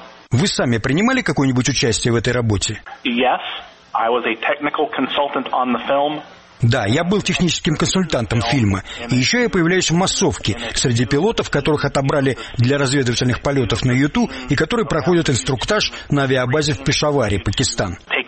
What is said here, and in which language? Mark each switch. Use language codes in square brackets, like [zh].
[ru] Вы сами принимали какое-нибудь участие в этой работе? [en] Yes, I was a technical consultant on the film. [ru] Да, я был техническим консультантом фильма. И еще я появляюсь в массовке среди пилотов, которых отобрали для разведывательных полетов на Ю-2 и которые проходят инструктаж на авиабазе в Пешаваре, Пакистан.